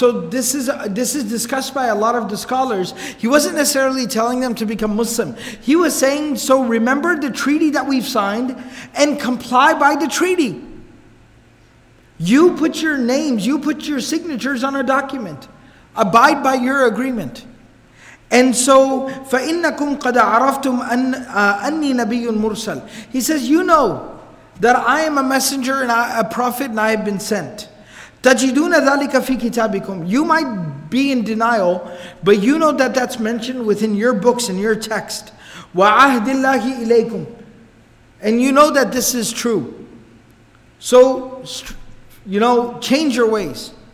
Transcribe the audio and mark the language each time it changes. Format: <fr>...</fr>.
<en>This is discussed by a lot of the scholars. He wasn't necessarily telling them to become Muslim. He was saying, so remember the treaty that we've signed and comply by the treaty. You put your names, you put your signatures on a document. Abide by your agreement.</en> <ar>And so, فَإِنَّكُمْ قَدْ عَرَفْتُمْ أَنِّي نَبِيٌّ مُرْسَلٌ.</ar> <en>He says, you know that I am a messenger and a prophet and I have been sent.</en> <ar>تَجِدُونَ ذَلِكَ فِي كِتَابِكُمْ.</ar> <en>You might be in denial, but you know that that's mentioned within your books and your text.</en> <ar>وَعَهْدِ اللَّهِ إِلَيْكُمْ.</ar> <en>And you know that this is true. So, you know, change your ways.</en>